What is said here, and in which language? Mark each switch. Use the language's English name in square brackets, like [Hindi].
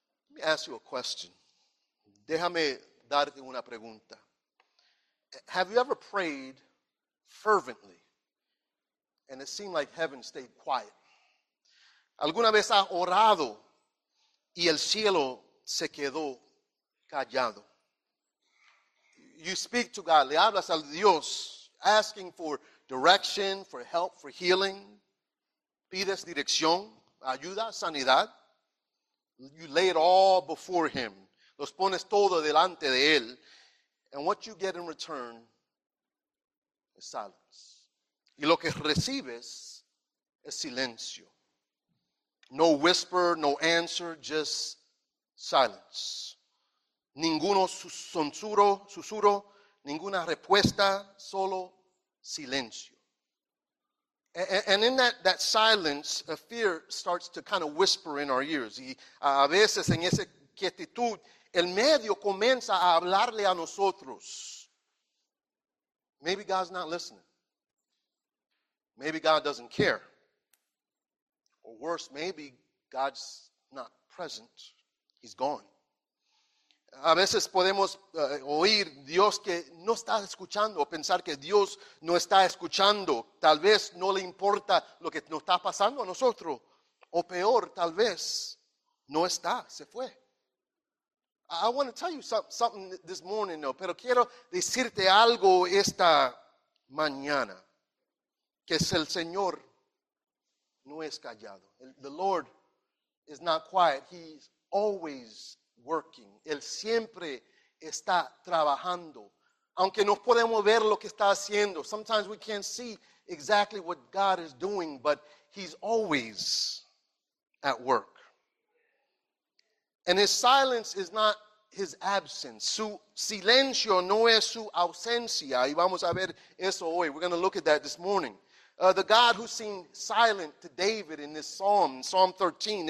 [English] Let me ask you a question. [Spanish] Déjame darte una pregunta. [English] Have you ever prayed fervently and it seemed like heaven stayed quiet? [Spanish] ¿Alguna vez has orado y el cielo se quedó callado? [English] You speak to God, [Spanish] le hablas al Dios, [English] asking for direction, for help, for healing. [Spanish] Pides dirección, ayuda, sanidad. [English] You lay it all before him. [Spanish] Los pones todo delante de él. [English] And what you get in return is silence. [Spanish] Y lo que recibes es silencio. [English] No whisper, no answer, just silence. [Spanish] Ninguno susurro, ninguna respuesta, solo silencio. [English] And in that silence, a fear starts to kind of whisper in our ears. [Spanish] Y a veces en esa quietitud, el medio comienza a hablarle a nosotros. [English] Maybe God's not listening. Maybe God doesn't care. Or worse, maybe God's not present. He's gone. [Spanish] A veces podemos oír Dios que no está escuchando o pensar que Dios no está escuchando. Tal vez no le importa lo que nos está pasando a nosotros. O peor, tal vez no está, se fue. [English] I want to tell you something this morning, though, [Spanish] pero quiero decirte algo esta mañana. Que es el Señor no es callado. [English] The Lord is not quiet. He's always working. [Spanish] Él siempre está trabajando Aunque no podemos ver lo que está haciendo. [English] Sometimes we can't see exactly what God is doing, but he's always at work. And his silence is not his absence. [Spanish] Su silencio no es su ausencia. Y vamos a ver eso hoy. [English] We're going to look at that this morning. The God who seemed silent to David in this psalm, Psalm 13.